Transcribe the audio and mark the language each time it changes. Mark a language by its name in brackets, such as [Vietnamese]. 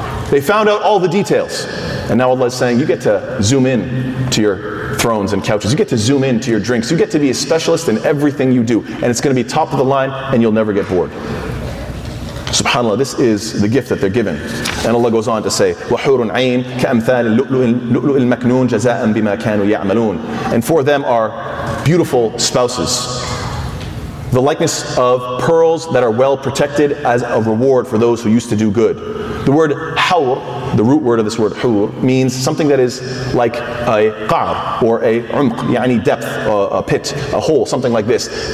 [English] They found out all the details. And now Allah is saying, you get to zoom in to your thrones and couches. You get to zoom in to your drinks. You get to be a specialist in everything you do. And it's going to be top of the line and you'll never get bored. SubhanAllah, this is the gift that they're given. And Allah goes on to say, [Arabic] وَحُورٌ عَيْنٌ كَأَمْثَالِ اللُّؤْلُؤِ الْمَكْنُونَ جَزَاءً بِمَا كَانُوا يَعْمَلُونَ. [English] And for them are beautiful spouses, the likeness of pearls that are well protected as a reward for those who used to do good. The word حَوْر, the root word of this word حُور, means something that is like a قَعْر or a عُمْق, يعني depth, a pit, a hole, something like this.